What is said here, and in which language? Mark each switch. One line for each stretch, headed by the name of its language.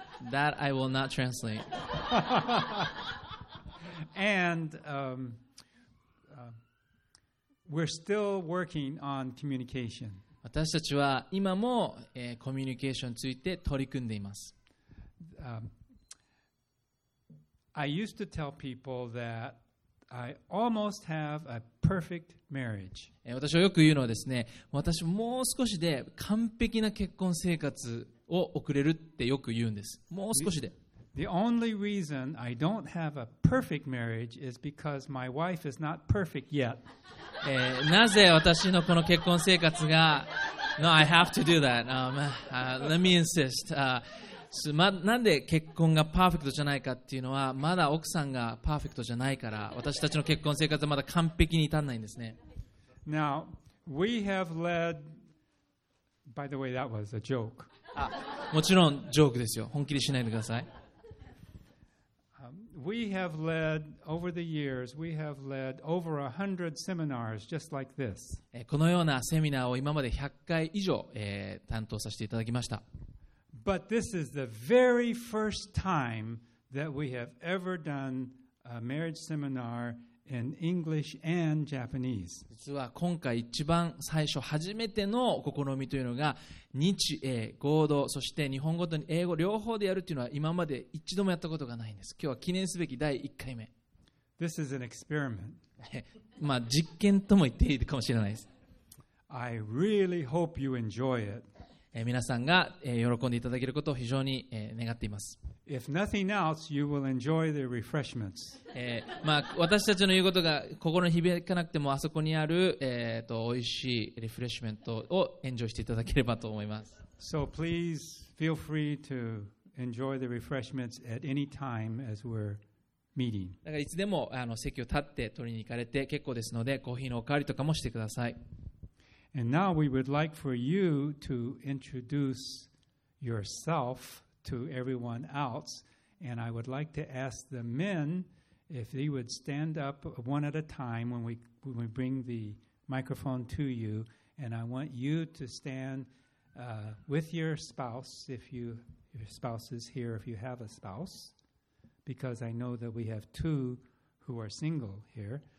English: That I will not translate. And we're still working on communication.
Japanese: 私たちは今も、コミュニケーションについて取り組んでいます。
English: I used to tell people that I almost have a perfect marriage.
Japanese: 私はよく言うのはですね、私もう少しで完璧な結婚生活を送れるってよく言うんです。もう少しで。
English: The only reason I don't have a perfect marriage is because my wife is not perfect yet.
Japanese: なぜ私のこの結婚生活が
English: No, I have to do that. Let me insist.
Japanese: なんで結婚がパーフェクトじゃないかっていうのはまだ奥さんがパーフェクトじゃないから私たちの結婚生活はまだ完璧に至らないんですね。
English: Now, we have led... By the way, that was a joke.
Japanese: もちろんジョークですよ。本気にしないでください。
English: We have led over the years. We have led over 100 seminars, just like this.
Japanese: このようなセミナーを今まで100回以上、担当させていただきました。
English: But this is the very first time that we have ever done a marriage seminar in English and Japanese.
Japanese: 実は今回一番最初初めての試みというのが日英合同そして日本語と英語両方でやるというのは今まで一度もやったことがないんです。今日は記念すべき第1回目。
English: This is an experiment.
Japanese: まあ実験とも言っていいかもしれないです。
English: I really hope you enjoy it.
Japanese: 皆さんが喜んでいただけることを非常に願っています。
English: If nothing else, you will enjoy the refreshments.
Japanese: まあ、私たちの言うことが心に響かなくてもあそこにある、美味しいリフレッシュメントをエンジョイしていただければと思います。
English: So please feel free to enjoy the refreshments at any time as we're meeting.
Japanese: だからいつでも席を立って取りに行かれて結構ですのでコーヒーのお代わりとかもしてください。
English: And now we would like for you to introduce yourself. To everyone else, and I would like to ask the men if they would stand up one at a time when we bring the microphone to you, and I want you to stand with your spouse if your spouse is here, if you have a spouse, because I know that we have two who are single here.